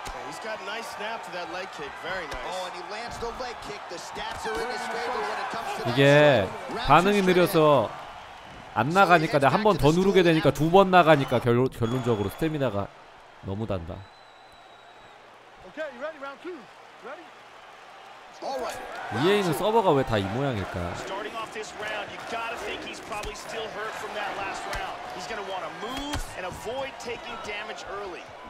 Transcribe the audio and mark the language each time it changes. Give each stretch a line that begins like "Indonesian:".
English: He's got a nice snap to that leg kick. Very nice. Oh, and he lands the leg kick. The stats are in his favor when it comes to that.
Korean: 이게 반응이 느려서 안 나가니까 내가 한 번 더 누르게 되니까 두 번 나가니까 결론적으로 스태미나가 너무 단다.
English: Okay, you ready? Round two. Ready? All right.
Korean: 이해는 서버가 왜 다 이 모양일까?
English: Starting off this round, you gotta think he's probably still hurt from that last round. He's gonna want to move and avoid taking damage early.